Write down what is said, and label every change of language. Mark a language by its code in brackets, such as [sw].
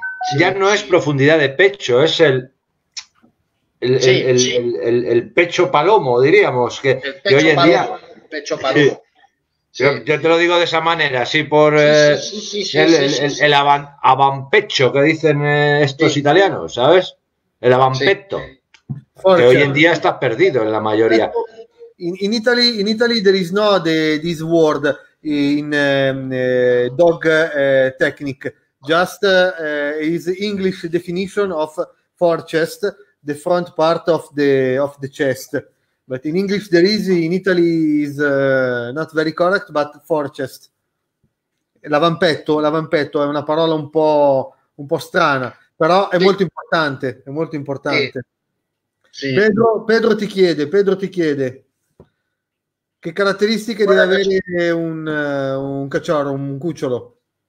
[es] Sí, ya no es profundidad de pecho, es el pecho palomo, diríamos, que hoy en día... Pecho palomo. Sí. Sí. Yo te lo digo de esa manera, así por el avampecho que dicen estos italianos, ¿sabes? El avampetto, que hoy en día está perdido en la mayoría. [en] In Italy there is no this word in dog technique, just is English definition of forechest, the front part of the chest. But in English, there is, in Italy, is not very correct, but forechest. [it] L'avampetto è una parola un po' strana, però è molto importante, è molto importante. Sì. Pedro ti chiede, che caratteristiche deve avere un cacciaro, un cucciolo?